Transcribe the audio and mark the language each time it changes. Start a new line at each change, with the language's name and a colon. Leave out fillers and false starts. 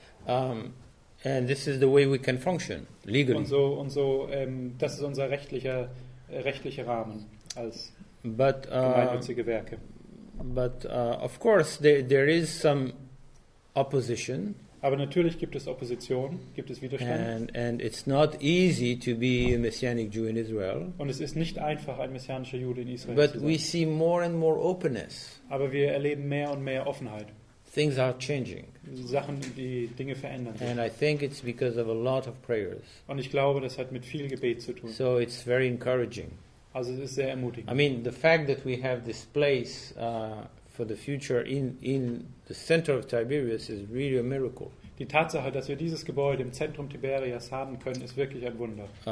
English: And this is the way we can function legally.
German: Und so, das ist unser rechtlicher Rahmen als gemeinnützige Werke.
English: But of course, there is some opposition.
German: Aber natürlich gibt es Opposition, gibt es Widerstand.
English: And it's not easy to be a messianic Jew in Israel.
German: Und es ist nicht einfach, ein messianischer Jude in Israel
English: but
German: zu sein.
English: But we see more and more openness.
German: Aber wir erleben mehr und mehr Offenheit.
English: Things are changing.
German: Sachen, die Dinge verändern sich.
English: And I think it's because of a lot of prayers.
German: Und ich glaube, das hat mit viel Gebet zu tun.
English: So it's very encouraging.
German: Also es ist sehr ermutigend.
English: I mean, the fact that we have this place for the future in the center of Tiberias is really a miracle.
German: Die Tatsache, dass wir dieses Gebäude im Zentrum Tiberias haben können, ist wirklich ein Wunder.